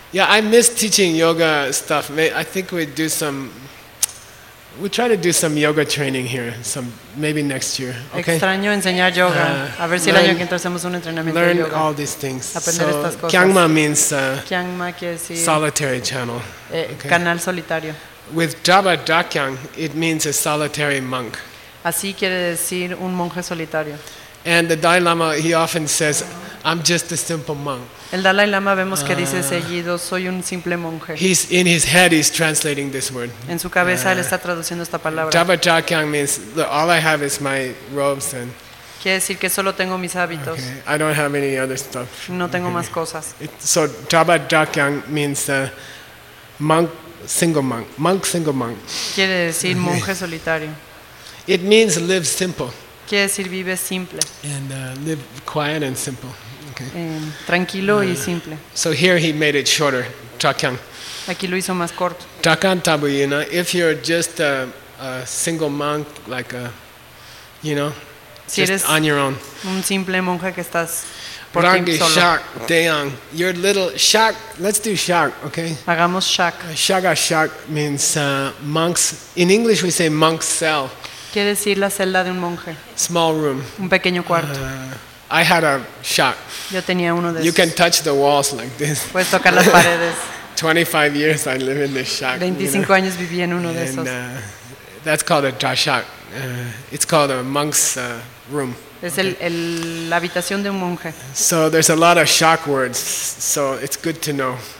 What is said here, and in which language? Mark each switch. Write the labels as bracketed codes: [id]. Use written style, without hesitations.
[en] Yeah, I miss teaching yoga stuff. I think we do some. We try to do some yoga training here. Some maybe next year. Okay. [es] Extraño enseñar yoga. A ver si el año que entra hacemos un entrenamiento [en] learn [es] de yoga. [en] Learn all these things. [es] Aprender so, estas cosas. [en] Kyangma means. [es] Kyangma quiere decir. [en] Solitary channel. [es] Okay. Canal solitario. [en] With Daba Dakyang, it means a solitary monk. [es] Así quiere decir un monje solitario. [en] And the Dalai Lama, he often says, "I'm just a simple monk." [es] El Dalai Lama vemos que dice seguido, "Soy un simple monje." [en] He's in his head, he's translating this word. [es] En su cabeza él está traduciendo esta palabra. [en] Daba Dakyang means all I have is my robes and. [es] Quiere decir que solo tengo mis hábitos. [en] Okay. I don't have any other stuff. [es] No tengo más cosas. [en] So Daba Dakyang means monk. Single monk, monk, single monk. [es] Quiere decir monje solitario. [en] It means live simple. [es] Quiere decir vive simple. [en] And live quiet and simple. Okay. [es] Tranquilo y simple. [en] So here he made it shorter, Dakyang. [es] Aquí lo hizo más corto. [en] Dakyang Tabu, you know, if you're just a single monk, like a, you know, [es] si [en] just [es] eres [en] on your own. [es] Un simple monje que estás. [bo] Rangi [en] Shak Deyang, your little Shak. Let's do Shak, okay? [es] Hagamos Shak. [en] Shaga Shak means monks. In English, we say monk cell. [es] Quiere decir la celda de un monje. [en] Small room. [es] Un pequeño cuarto. [en] I had a Shak. [es] Yo tenía uno de esos. [en] You can touch the walls like this. [es] Puedes tocar las paredes. [en] 25 years I live in this Shak. [es] 25 años viví en uno de esos. [en] That's called a Dashak. It's called a monk's room. [es] Es el la habitación de un monje. [en] So there's a lot of shak words, so it's good to know.